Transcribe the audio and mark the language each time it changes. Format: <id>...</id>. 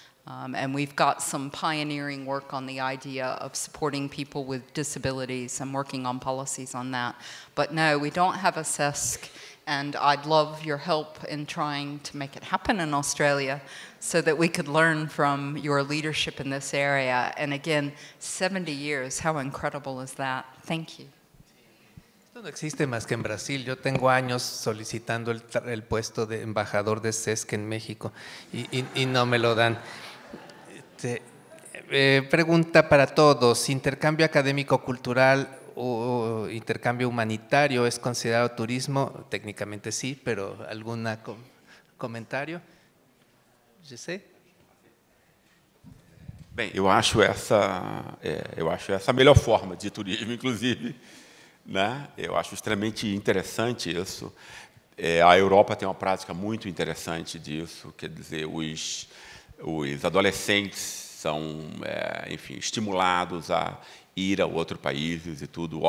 <en>And we've got some pioneering work on the idea of supporting people with disabilities and working on policies on that. But no, we don't have a SESC. And I'd love your help in trying to make it happen in Australia so that we could learn from your leadership in this area. And again, 70 years, how incredible is that? Thank you.</en> <es>Esto no existe más que en Brasil. Yo tengo años solicitando el puesto de embajador de SESC en México y no me lo dan. Pregunta para todos. ¿Intercambio académico cultural o intercambio humanitario es considerado turismo? Técnicamente sí, pero ¿algún comentario?</es> <fr>Je sais.</fr> <pt>Bem, eu acho essa a melhor forma de turismo, inclusive, né? Eu acho extremamente interessante isso. A Europa tem uma prática muito interessante disso, quer dizer, os adolescentes são, enfim, estimulados a ir a outros países e tudo.</pt>